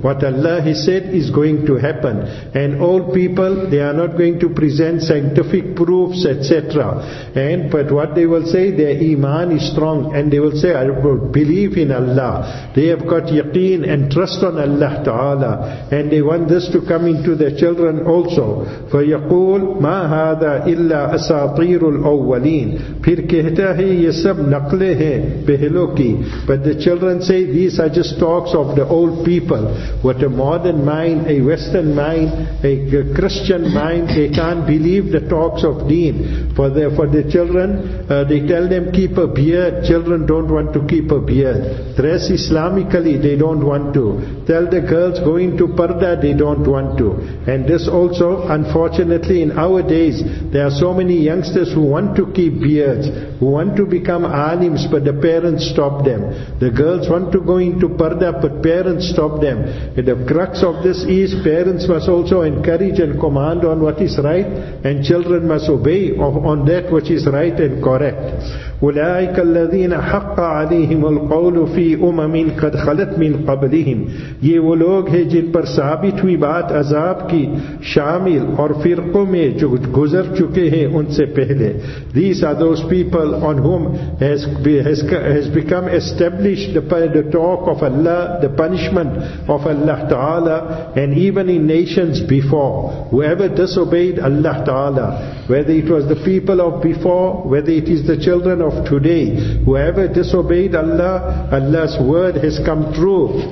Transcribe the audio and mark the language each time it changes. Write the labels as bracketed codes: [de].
[en] What Allah has said is going to happen. And old people, they are not going to present scientific proofs, etc. And but what they will say, their iman is strong. And they will say, I believe in Allah. They have got yaqeen and trust on Allah Ta'ala. And they want this to come into their children also. [ar] فَيَقُولْ مَا هَذَا إِلَّا أَسَاطِيرُ الاولین. [ur] پھر کہتا ہے یہ سب نقلے ہیں پہلو کی. [en] But the children say, these are just talks of the old people. With a modern mind, a Western mind, a Christian mind, they can't believe the talks of deen. For the children, they tell them, keep a beard. Children don't want to keep a beard. Dress Islamically, they don't want to. Tell the girls, go into parda, they don't want to. And this also, unfortunately, in our days, there are so many youngsters who want to keep beards, who want to become alims, but the parents stop them. The girls want to go into parda, but parents stop them. And the crux of this is parents must also encourage and command on what is right, and children must obey on that which is right and correct. [ar] أولئك الذين حق عليهم القول في أمم قد خلت من قبلهم. [ur] یہ وہ لوگ ہیں جن پر ثابت ہوئی بات عذاب کی شامل اور فرقوں میں جو گزر چکے ہیں ان سے پہلے. [en] These are those people on whom has become established the talk of Allah, the punishment of Allah Ta'ala, and even in nations before, whoever disobeyed Allah Ta'ala, whether it was the people of before, whether it is the children of today, whoever disobeyed Allah, Allah's word has come true.